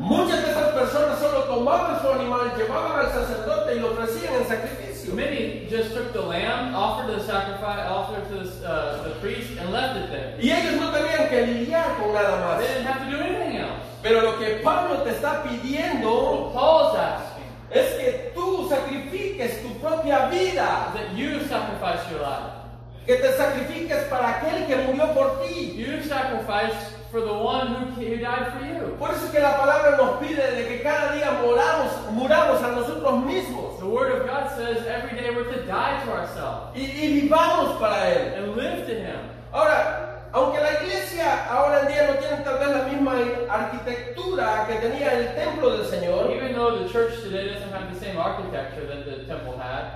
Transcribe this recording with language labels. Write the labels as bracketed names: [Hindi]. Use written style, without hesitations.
[Spanish] Muchas de esas personas solo tomaban su animal, llevaban al sacerdote y lo ofrecían en sacrificio. [English] Many just took the lamb, offered the sacrifice, offered to the priest, and left it there. [Spanish] Y ellos no tenían que lidiar con nada más. [English] They didn't have to do anything else. [Spanish] Pero lo que Pablo te está pidiendo, [English] what Paul's asking, [Spanish] es que tú sacrifiques tu propia vida. [English] That you sacrifice your life. [Spanish] Que te sacrifiques para aquel que murió por ti. [English] You sacrifice for the one who died for you. [Spanish] Por eso que la palabra nos pide de que cada día muramos a nosotros mismos. [English] The word of God says every day we're to die to ourselves. [Spanish] Y vivamos para él. [English] And live to him. [Spanish] Ahora, aunque la iglesia ahora en día no tiene tal vez la misma arquitectura que tenía el templo del Señor, [English] even though the church today doesn't have the same architecture that the temple had,